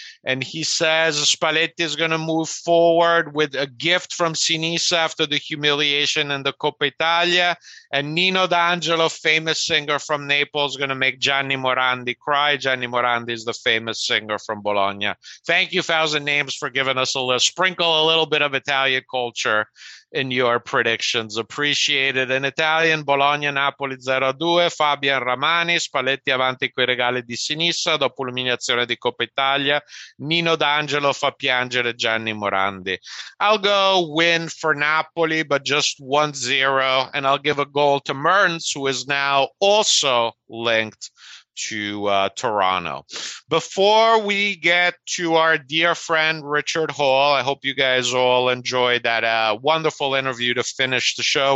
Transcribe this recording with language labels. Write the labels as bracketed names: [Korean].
[English] And he says Spalletti is going to move forward with a gift from Sinisa after the humiliation in the Coppa Italia. And Nino D'Angelo, famous singer from Naples, going to make Gianni Morandi cry. Gianni Morandi is the famous singer from Bologna. Thank you, Fouls and Names, for giving us a little sprinkle, a little bit of Italian culture in your predictions. Appreciate it. In Italian, [Italian] Bologna, Napoli 0-2, Fabian Romani, Spalletti avanti coi regali di Sinisa dopo l'umiliazione di Coppa Italia. Nino D'Angelo fa piangere Gianni Morandi. [English] I'll go win for Napoli, but just 1-0, and I'll give a goal to Mertens, who is now also linked to Toronto. Before we get to our dear friend Richard Hall, I hope you guys all enjoyed that wonderful interview to finish the show.